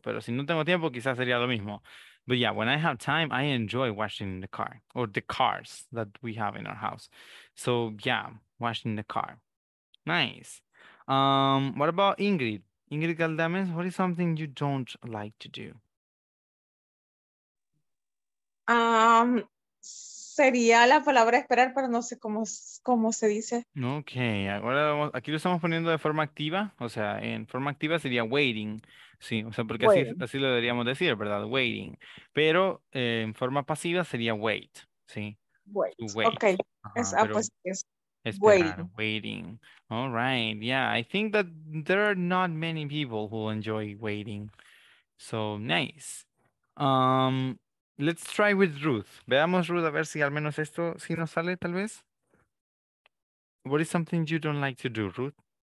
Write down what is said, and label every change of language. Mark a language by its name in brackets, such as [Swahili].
[Spanish] Pero si no tengo tiempo, quizás sería lo mismo. [English] But yeah, when I have time, I enjoy washing the car or the cars that we have in our house. So yeah, washing the car. Nice. What about Ingrid? Ingrid Galdames, what is something you don't like to do? [Spanish] Sería la palabra esperar, pero no sé cómo se dice. Okay, ahora vamos, aquí lo estamos poniendo de forma activa, o sea, en forma activa sería waiting, sí, o sea, porque así lo deberíamos decir, ¿verdad? Waiting, pero en forma pasiva sería wait, sí. [English] Wait. Okay, [Spanish] esperar, waiting. [English] All right, yeah, I think that there are not many people who enjoy waiting, so nice. Let's try with Ruth. [Spanish] Veamos, Ruth, a ver si al menos esto sí nos sale, tal vez. [English] What is something you don't like to do, Ruth?